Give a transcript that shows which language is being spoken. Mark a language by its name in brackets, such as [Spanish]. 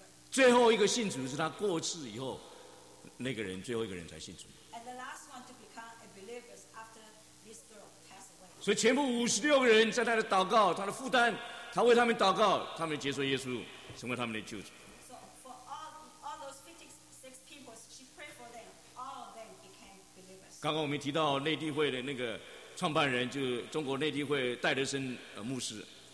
[Chinese] 最后一个信主是他过世以后，那个人最后一个人才信主。 [English] And the last one to become a believer after this girl passed away. [Chinese] 所以全部56个人在他的祷告，他的负担，他为他们祷告，他们接受耶稣，成为他们的救主。 [English] So for all those 56 people, she prayed for them. All of them became believers. [Chinese] 刚刚我们提到内地会的那个创办人，就是中国内地会戴德森牧师。